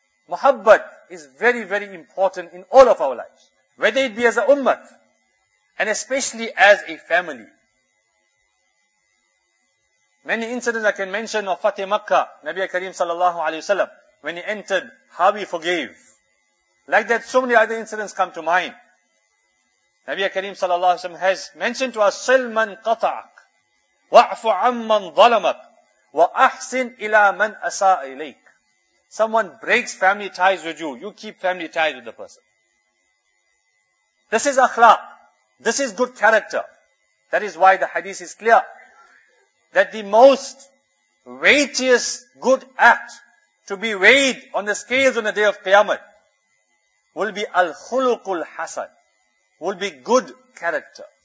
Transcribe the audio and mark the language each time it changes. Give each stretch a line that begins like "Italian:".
English: Muhabbat is very, very important in all of our lives, whether it be as a ummah, and especially as a family. Many incidents I can mention of Fatih Makkah, Nabi Kareem sallallahu alayhi wa sallam, when he entered, how he forgave. Like that, so many other incidents come to mind. Nabi Kareem sallallahu alayhi wa sallam has mentioned to us,
Arabic: صِلْ مَنْ قَطَعَكْ وَعْفُ عَمَّنْ ظَلَمَكْ وَأَحْسِنْ إِلَى مَنْ أَسَاءَ إِلَيْكَ.
English: Someone breaks family ties with you keep family ties with the person. This is akhlaq. This is good character. That is why the hadith is clear, that the most weightiest good act to be weighed on the scales on the day of Qiyamah will be al-khuluqul hasan, will be good character.